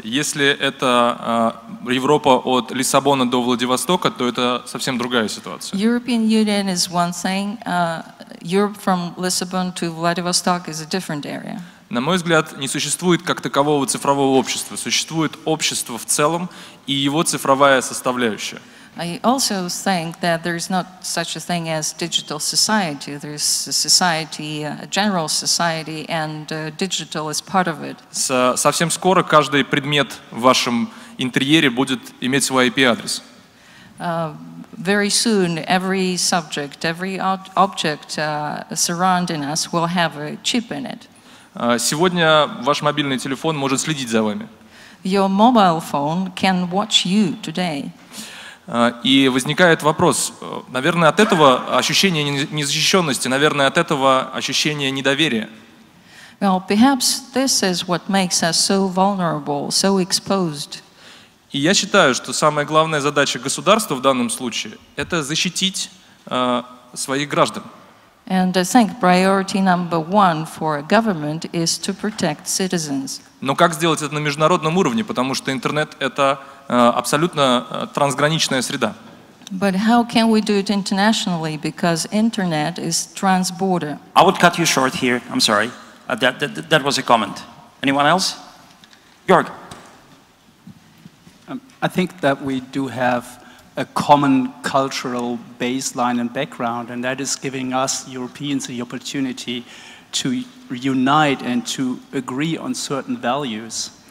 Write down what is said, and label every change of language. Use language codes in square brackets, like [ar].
[ru] Если это Европа от Лиссабона до Владивостока, то это совсем другая ситуация. [en] European Union is one thing. Europe from Lisbon to Vladivostok is a different area. [ru] На мой взгляд, не существует как такового цифрового общества. Существует общество в целом и его цифровая составляющая. [en] I also think that there is not such a thing as digital society. There is a society, a general society, and digital is part of it. [ru] Совсем скоро каждый предмет в вашем интерьере будет иметь свой IP-адрес. [en] Very soon, every subject, every object surrounding us will have a chip in it. [ru] Сегодня ваш мобильный телефон может следить за вами. [en] Your mobile phone can watch you today. [ru] И возникает вопрос, наверное, от этого ощущения незащищенности, наверное, от этого ощущения недоверия. [en] Well, perhaps this is what makes us so vulnerable, so exposed. [ru] И я считаю, что самая главная задача государства в данном случае – это защитить своих граждан. [en] And I think priority number one for a government is to protect citizens. [ru] Но как сделать это на международном уровне, потому что интернет – это абсолютно трансграничная среда. [en] But how can we do it internationally, because internet is transborder? I would cut you short here, I'm sorry. That was a comment. Anyone else? Jörg. I think that we do have a common cultural baseline and background, and that is giving us Europeans the opportunity to unite and to agree on certain values.